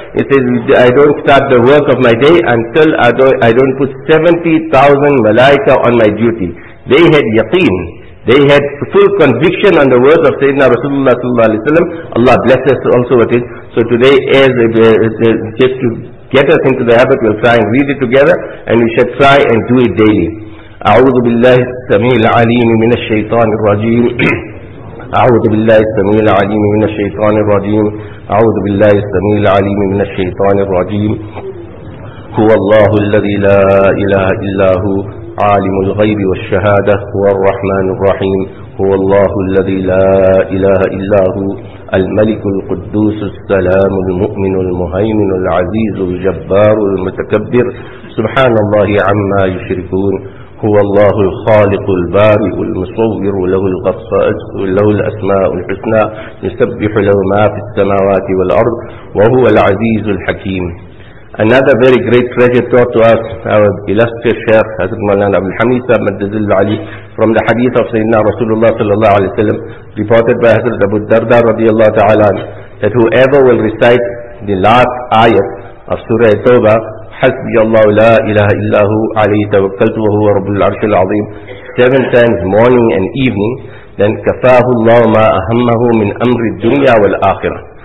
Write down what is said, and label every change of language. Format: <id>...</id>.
<en>He says, I don't start the work of my day until I don't put 70,000 malaika on my duty. They had yaqeen. They had full conviction on the words of Sayyidina Rasulullah sallallahu alayhi wa sallam. Allah bless us also with it. So today, just to get us into the habit, we'll try and read it together, and we shall try and do it daily.</en> <ar>أعوذ بالله السميع العليم من الشيطان الرجيم. أعوذ بالله السميع العليم من الشيطان الرجيم. أعوذ بالله السميع العليم من الشيطان الرجيم. هو الله الذي لا إله إلا هو. عالم الغيب والشهادة هو الرحمن الرحيم هو الله الذي لا إله إلا هو الملك القدوس السلام المؤمن المهيمن العزيز الجبار المتكبر سبحان الله عما يشركون هو الله الخالق البارئ المصور له الأسماء الحسنى يسبح له ما في السماوات والأرض وهو العزيز الحكيم.</ar> <en>Another very great treasure taught to us, our illustrious Shaykh Hazrat Mawlana Abdul Hamid Sahib Madrasatul Ali, from the hadith of Sayyidina Rasulullah sallallahu alayhi wa sallam, reported by Hazrat Abu Darda radiallahu ta'ala, that whoever will recite the last ayat of Surah Tawbah,</en> <ar>حسبي الله لا إله إلا هو عليه توكلت وهو رب العرش العظيم,</ar> <en>7 times morning and evening, then</en> <ar>كفاه الله ما أهمه من أمر الدنيا والآخرة.</ar>